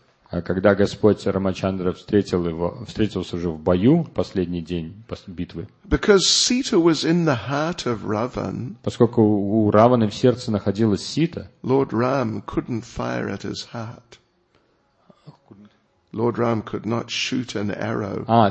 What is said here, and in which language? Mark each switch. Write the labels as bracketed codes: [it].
[ru] А когда Господь Рамачандра встретил его, встретился уже в бою, последний день битвы. [en] Because Sita was in the heart of Ravan. [ru] Поскольку у Равана в сердце находилась Сита. [en] Lord Ram couldn't fire at his heart. Lord Ram could not shoot an arrow.